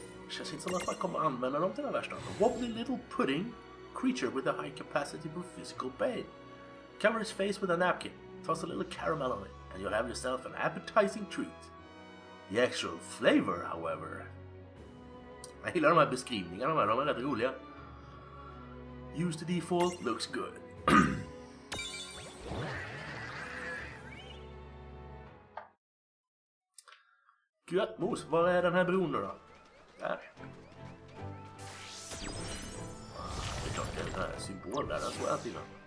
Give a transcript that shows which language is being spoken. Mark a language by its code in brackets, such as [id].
[sv] Känns inte som att man kommer använda dem till den värsta. [en] Wobbly little pudding creature with a high capacity for physical pain. Cover his face with a napkin, toss a little caramel on it, and you'll have yourself an appetizing treat. The actual flavor, however. [sv] Jag gillar de här beskrivningarna, de är rätt roliga. [en] Use the default, looks good. [sv] Gött mos, var är den här bron då? Där. Det är klart det är den här symbolen där, den såg jag innan.